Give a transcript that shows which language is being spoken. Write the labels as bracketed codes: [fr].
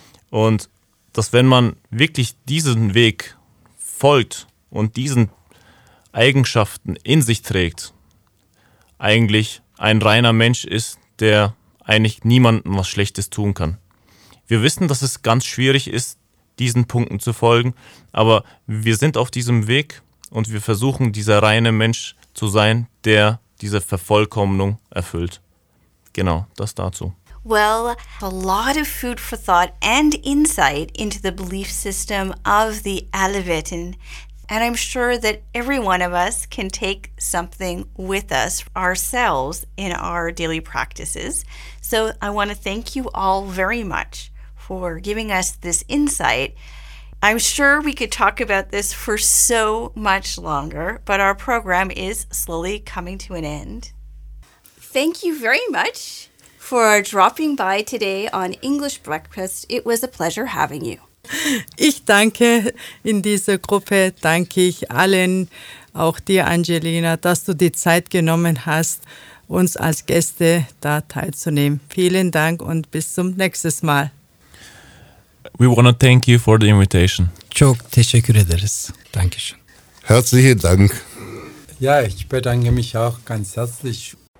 [de] Und dass, wenn man wirklich diesen Weg folgt und diesen Eigenschaften in sich trägt, eigentlich ein reiner Mensch ist, der eigentlich niemandem was Schlechtes tun kann. Wir wissen, dass es ganz schwierig ist, diesen Punkten zu folgen, aber wir sind auf diesem Weg und wir versuchen, dieser reine Mensch zu sein, der diese Vervollkommnung erfüllt. Genau, das dazu. [en] Well, a lot of food for thought and insight into the belief system of the Alevitin. And I'm sure that every one of us can take something with us ourselves in our daily practices. So I want to thank you all very much for giving us this insight. I'm sure we could talk about this for so much longer, but our program is slowly coming to an end. Thank you very much for dropping by today on English Breakfast. It was a pleasure having you. [de] Ich danke in dieser Gruppe, danke ich allen, auch dir Angelina, dass du die Zeit genommen hast, uns als Gäste da teilzunehmen. Vielen Dank und bis zum nächsten Mal. [en] We want to thank you for the invitation. [tr] Çok teşekkür ederiz. Dankeschön. [de] Herzlichen Dank. Ja, ich bedanke mich auch ganz herzlich.